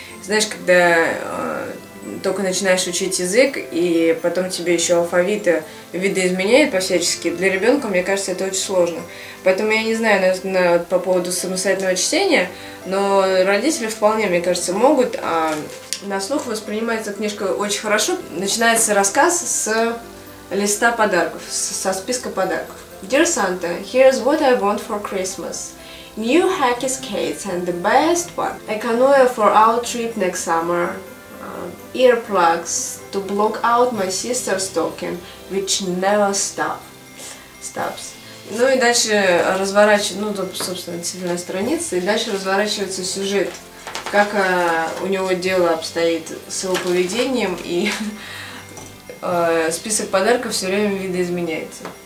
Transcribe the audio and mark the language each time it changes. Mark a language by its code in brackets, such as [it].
[ru] Знаешь, когда только начинаешь учить язык, и потом тебе еще алфавиты видоизменяют по-всячески, для ребенка, мне кажется, это очень сложно. Поэтому я не знаю по поводу самостоятельного чтения, но родители вполне, мне кажется, могут. А на слух воспринимается книжка очень хорошо. Начинается рассказ с листа подарков, со списка подарков. [en] Dear Santa, here's what I want for Christmas. New hacky skates and the best one. A canoe for our trip next summer. Earplugs to block out my sister's talking, which never stops. [ru] Ну и дальше разворачивается, ну тут, собственно, отдельная страница, и дальше разворачивается сюжет, как у него дело обстоит с его поведением, и список подарков все время видоизменяется.